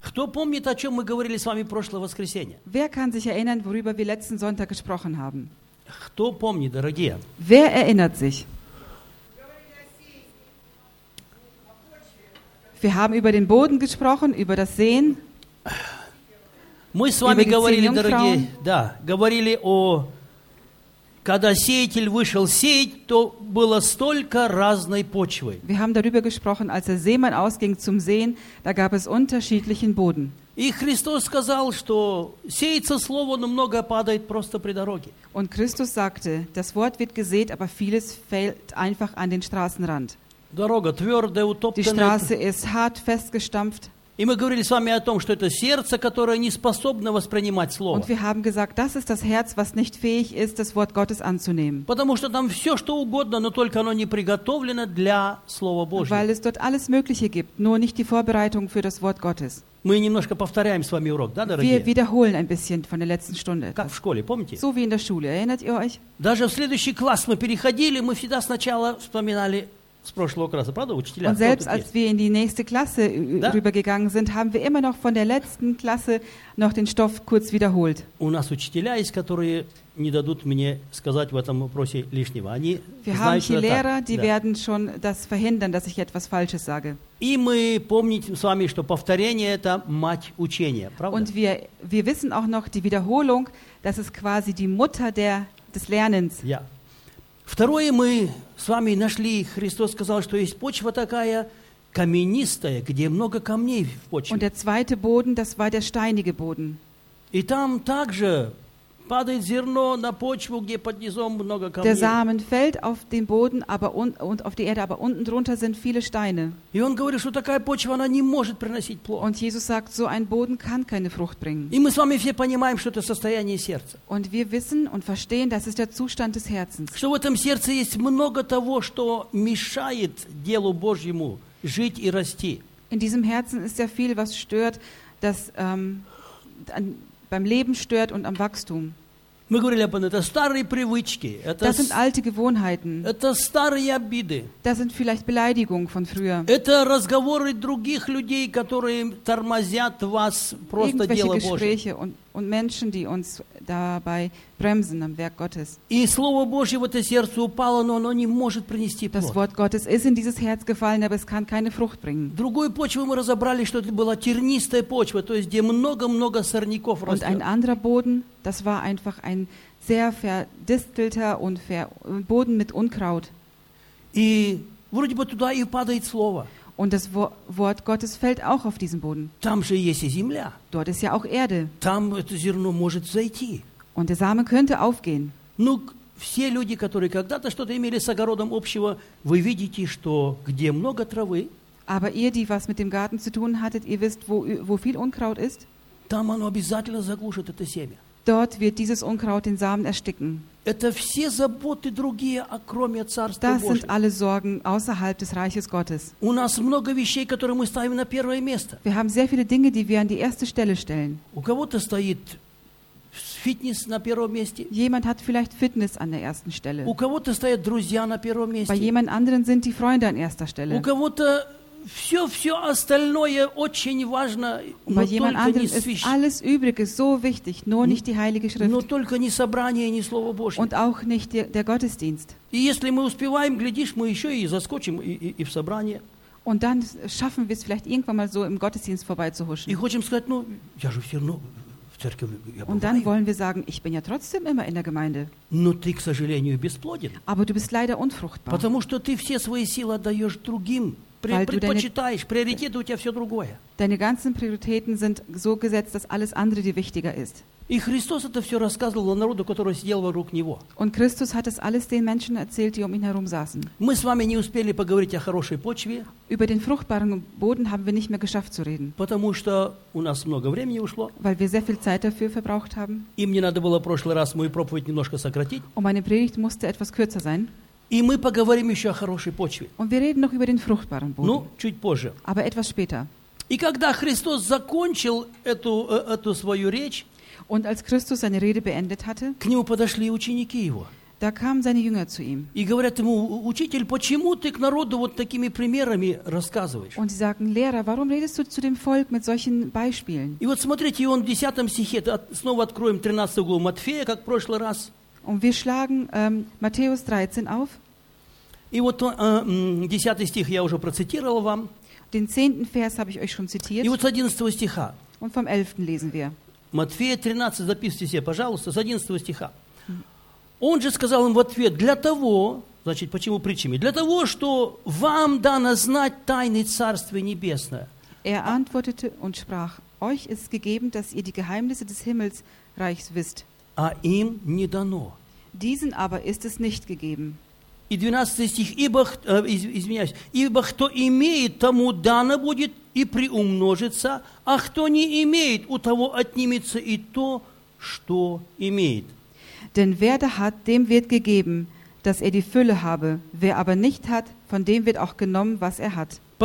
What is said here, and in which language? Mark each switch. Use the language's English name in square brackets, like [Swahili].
[Russian] Кто помнит, о чем мы говорили с вами прошлое воскресенье? [German] Wer kann sich erinnern, worüber wir letzten Sonntag gesprochen haben? [Russian] Кто помнит, дорогие? [German] Wer erinnert sich? Wir haben über den Boden gesprochen, über das Sehen. [Russian] Мы с вами говорили, дорогие, да, говорили о, когда сеятель вышел сеять, то было столько разной почвы. [German] Wir haben darüber gesprochen, als der Seemann ausging zum Sehen, da gab es unterschiedlichen Boden. [Russian] И Христос сказал, что сеется слово, но многое падает просто при дороге. [German] Und Christus sagte, das Wort wird gesät, aber vieles fällt einfach an den Straßenrand. [Russian] Дорога твердая, утоптанная. [German] Die Straße ist hart festgestampft. [Russian] И мы говорили с вами о том, что это сердце, которое не способно воспринимать слово. [German] Und wir haben gesagt, das ist das Herz, was nicht fähig ist, das Wort Gottes anzunehmen. [Russian] Потому что там все, что угодно, но только оно не приготовлено для Слова Божьего. [German] Weil es dort alles Mögliche gibt, nur nicht die Vorbereitung für das Wort Gottes. [Russian] Мы немножко повторяем с вами урок, да, дорогие? [German] Wir wiederholen ein bisschen von der letzten Stunde. [Russian] Как в школе, помните? [German] So wie in der Schule, erinnert ihr euch? [Russian] Даже в следующий класс мы переходили, мы всегда сначала вспоминали с прошлого класса, правда, учителя? [German] Und selbst als wir in die nächste Klasse rübergegangen sind, haben wir immer noch von der letzten Klasse noch den Stoff kurz wiederholt. [Russian] У нас учителя есть, которые не дадут мне сказать в этом вопросе лишнего. Они [German] wir haben hier [Russian] что-то. [German] Lehrer, die да. werden schon das verhindern, dass ich etwas Falsches sage. [Russian] И мы помним с вами, что повторение – это мать учения, правда? [German] Und wir wissen auch noch die Wiederholung, das ist quasi die Mutter des Lernens. Ja. [Russian] Второе, мы с вами нашли, Христос сказал, что есть почва такая каменистая, где много камней в почве. [German] Und der zweite Boden, das war der steinige Boden. [Russian] И там также падает зерно на почву, где под низом много камней. [German] Der Samen fällt auf den Boden, aber und auf die Erde, aber unten drunter sind viele Steine. [Russian] И он говорит, что такая почва, она не может приносить плод. [German] Und Jesus sagt, so ein Boden kann keine Frucht bringen. [Russian] И мы с вами все понимаем, что это состояние сердца. [German] Und wir wissen und verstehen, das ist der Zustand des Herzens. [Russian] Что в этом сердце есть много того, что мешает делу Божьему жить и расти. [German] In diesem Herzen ist sehr viel, was stört, dass beim Leben stört und am Wachstum. [Russian] Мы говорили об этом, это старые привычки. Это [German] das sind alte Gewohnheiten. [Russian] Это старые обиды. [German] Das sind vielleicht Beleidigungen von früher. [Russian] Это разговоры других людей, которые тормозят вас просто дело Божье. [German] Irgendwelche Gespräche und Menschen, die uns dabei bremsen am Werk Gottes. [Russian] И Слово Божье в это сердце упало, но оно не может принести плод. [German] Das Wort Gottes ist in dieses Herz gefallen, aber es kann keine Frucht bringen. [Russian] Другую почву мы разобрали, что это была тернистая почва, то есть где много-много сорняков растет. [German] Und ein anderer Boden, das war einfach ein sehr verdistelter und Boden mit Unkraut. [Russian] И вроде бы туда и падает Слово. [German] Und das Wort Gottes fällt auch auf diesen Boden. [Russian] Там же есть и земля. [German] Dort ist ja auch Erde. [Russian] Там это зерно может зайти. [German] Und der Same könnte aufgehen. [Russian] Ну, все люди, которые когда-то что-то имели с огородом общего, вы видите, что где много травы, [German] aber ihr, die was mit dem Garten zu tun hattet, ihr wisst, wo viel Unkraut ist, [Russian] там оно обязательно заглушит это семя. [German] Dort wird dieses Unkraut den Samen ersticken. [Russian] Это все заботы другие, кроме Царства Божьего. [German] Das sind alle Sorgen außerhalb des Reiches Gottes. [Russian] У нас много вещей, которые мы ставим на первое место. [German] Wir haben sehr viele Dinge, die wir an die erste Stelle stellen. [Russian] У кого-то стоит фитнес на первом месте. [German] Jemand hat vielleicht Fitness an der ersten Stelle. [Russian] У кого-то стоят друзья на первом месте. [German] Bei jemand anderen sind die Freunde an erster Stelle. [Russian] У кого-то все-все остальное очень важно, [German] но jemand anderen ist alles Übrige so wichtig, nur nicht die Heilige Schrift. [Russian] Но только не собрание, не Слово Божье. [German] Und auch nicht der Gottesdienst. [Russian] И если мы успеваем, глядишь, мы еще и заскочим и в собрание. [German] Und dann schaffen wir es vielleicht irgendwann mal so im Gottesdienst vorbeizuhuschen. [Russian] И хочем сказать, ну, я же все равно в церкви, я бываю. [German] Und dann wollen wir sagen, ich bin ja trotzdem immer in der Gemeinde. [Russian] Но ты, к сожалению, бесплоден. [German] Aber du bist leider unfruchtbar. [Russian] Потому что ты все свои силы отдаешь другим. Предпочитаешь, приоритеты у тебя все другое. [German] Deine ganzen Prioritäten sind so gesetzt, dass alles andere dir wichtiger ist. [Russian] И Христос это все рассказывал народу, который сидел вокруг него. [German] Und Christus hat es alles den Menschen erzählt, die um ihn herum saßen. [Russian] Мы с вами не успели поговорить о хорошей почве. [German] Über den fruchtbaren Boden haben wir nicht mehr geschafft zu reden. [Russian] Потому что у нас много времени ушло. [German] Weil wir sehr viel Zeit dafür verbraucht haben. [Russian] И мне надо было в прошлый раз мою проповедь немножко сократить. [German] Und meine Predigt musste etwas kürzer sein. [Russian] И мы поговорим еще о хорошей почве. [German] Und wir reden noch über den fruchtbaren Boden. [Russian] Ну, чуть позже. [German] Aber etwas später. [Russian] И когда Христос закончил эту свою речь, [German] Und als Christus seine Rede beendet hatte, [Russian] к нему подошли ученики его. [German] Da kamen seine Jünger zu ihm. [Russian] И говорят ему: «Учитель, почему ты к народу вот такими примерами рассказываешь?» [German] Und sie sagten: «Lehrer, warum redest du zu dem Volk mit solchen Beispielen?» [Russian] И вот смотрите, он в 10 стихе, снова откроем 13 главу Матфея, как в прошлый раз. [German] Und wir schlagen Matthäus 13 auf. [Russian] И вот 10 стих я уже процитировал вам. [German] Den 10. Vers habe ich euch schon zitiert. [Russian] И вот с 11 стиха. [German] Und vom 11. lesen wir. [Russian] Матфея 13, записывайте себе, пожалуйста, с 11 стиха. Он же сказал им в ответ: для того, значит, почему притчами? Для того, что вам дано знать тайны Царствия Небесного. [German] Er antwortete und sprach: Euch ist gegeben, dass ihr die Geheimnisse des Himmelsreichs wisst. [Russian] А им не дано. [German] Diesen aber ist es nicht gegeben. [Russian] И 12 стих: ибо кто имеет, тому дано будет и приумножится, а кто не имеет, у того отнимется и то, что имеет. [German] Denn wer da hat, dem wird gegeben, dass er die Fülle habe. Wer aber nicht hat, von dem wird auch genommen, was er hat.